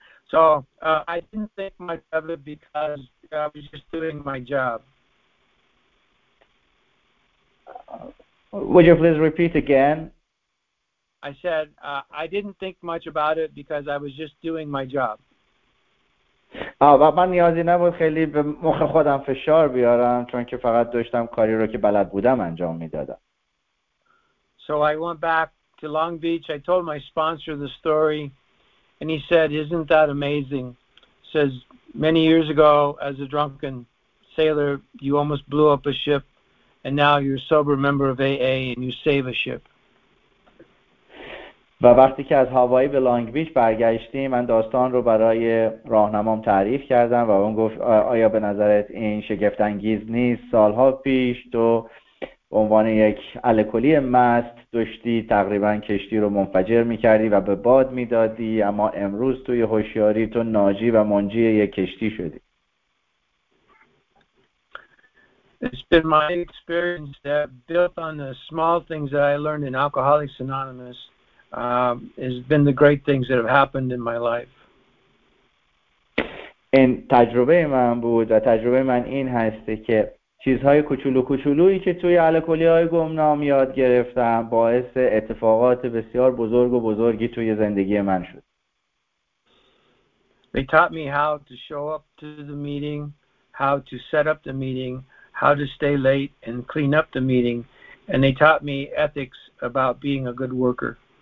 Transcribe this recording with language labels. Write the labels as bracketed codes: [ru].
[en] So I didn't think much of it because I was just doing my job. Would you please repeat again? I said, I didn't think much about it because I was just doing my job. [fa] من نیازی نبود خیلی به مخ خودم فشار بیارم چون که فقط داشتم کاری رو که بلد بودم انجام میدادم. [en] So I went back to Long Beach. I told my sponsor the story. And he said, isn't that amazing? He says, many years ago, as a drunken sailor, you almost blew up a ship. And now you're a sober member of AA and you save a ship. [fa] و وقتی که از هاوایی به لانگ بیچ برگشتیم من داستان رو برای راهنمام تعریف کردم و اون گفت آیا به نظرت این شگفت انگیز نیست سالها پیش تو به عنوان یک الکلی مست داشتی تقریبا کشتی رو منفجر می‌کردی و به باد می‌دادی اما امروز توی هوشیاری تو ناجی و منجی یک کشتی شدی. [en] It's been my experience that built on the small things that I learned in Alcoholics Anonymous has been the great things that have happened in my life. [fa] این تجربه من بود و تجربه من این هست که چیزهای کوچولو کوچولویی که توی الکلی‌های گمنام یاد گرفتم باعث اتفاقات بسیار بزرگ و بزرگی توی زندگی من شد. [en] They taught me how to show up to the meeting, how to set up the meeting, how to stay late and clean up the meeting, and they taught me ethics about being a good worker.